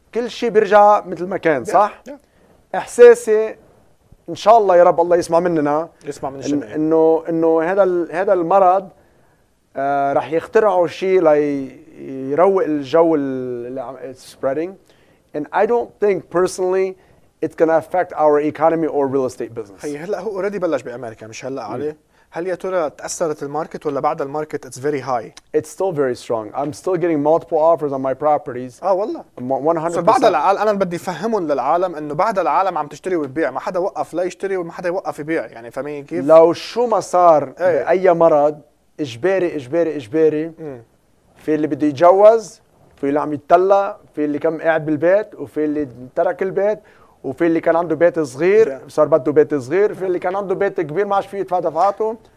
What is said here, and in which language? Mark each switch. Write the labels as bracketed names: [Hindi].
[Arabic] كل شيء، بيرجع مثل ما كان صح. [English] yeah. Yeah. [Arabic] احساسي ان شاء الله يا رب الله يسمع مننا، يسمع من الجميع، انه انه هذا هذا المرض راح يخترعوا شيء ليروق الجو اللي spreading. [English] And I don't think personally it's gonna affect our economy or real estate business. [Arabic] هي هلا هو اوريدي بلش بامريكا مش هلا عليه. هل يا ترى تاثرت الماركت ولا بعد الماركت؟ [English] It's very high. It's still very strong. I'm still getting multiple offers on my properties. [Arabic] اه والله 100%. بعد انا بدي افهمهم للعالم انه بعد العالم عم تشتري وتبيع، ما حدا وقف لا يشتري وما حدا يوقف يبيع، يعني فاهمين كيف؟ لو شو ما صار اي مرض اجباري اجباري اجباري في اللي بده يتجوز، في اللي عم يتطلع، في اللي كم قاعد بالبيت، وفي اللي ترك البيت، وفي اللي كان عنده بيت صغير صار بده بيت صغير، في اللي كان عنده بيت كبير ما عاد فيه يدفع دفعاته.